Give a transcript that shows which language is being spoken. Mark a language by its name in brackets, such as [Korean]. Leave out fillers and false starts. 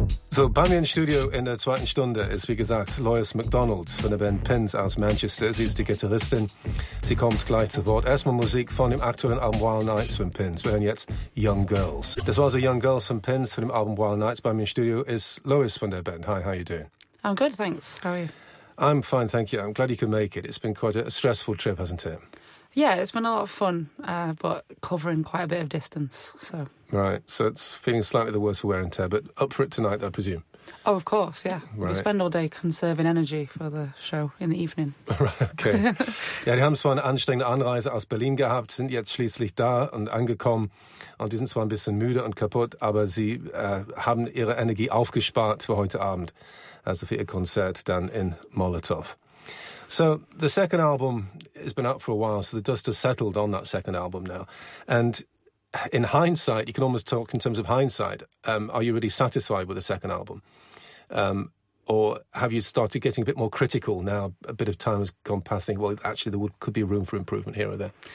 [German] So, bei mir im Studio in der zweiten Stunde ist, wie gesagt, Lois McDonald von der Band Pins aus Manchester. Sie ist die Gitarristin. Sie kommt gleich zu Wort. Erstmal Musik von dem aktuellen Album Wild Nights von Pins. Wir hören jetzt Young Girls. Das war so Young Girls von Pins von dem Album Wild Nights. Bei mir im Studio ist Lois von der Band. [English] Hi, how are you doing? I'm good, thanks. How are you? I'm fine, thank you. I'm glad you could make it. It's been quite a stressful trip, hasn't it? Yeah, it's been a lot of fun, but covering quite a bit of distance, so... Right, so it's feeling slightly the worst for wear and tear, but up for it tonight, I presume? Oh, of course, yeah. Right. We spend all day conserving energy for the show in the evening. Right, okay. [German] Ja, die haben zwar eine anstrengende Anreise aus Berlin gehabt, sind jetzt schließlich da und angekommen. Und die sind zwar ein bisschen müde und kaputt, aber sie haben ihre Energie aufgespart für heute Abend, also für ihr Konzert dann in Molotow. [English] So, the second album has been out for a while, so the dust has settled on that second album now. And in hindsight, you can almost talk in terms of hindsight, are you really satisfied with the second album? Or have you started getting a bit more critical now, a bit of time has gone past, thinking, well, actually, there could be room for improvement here or there?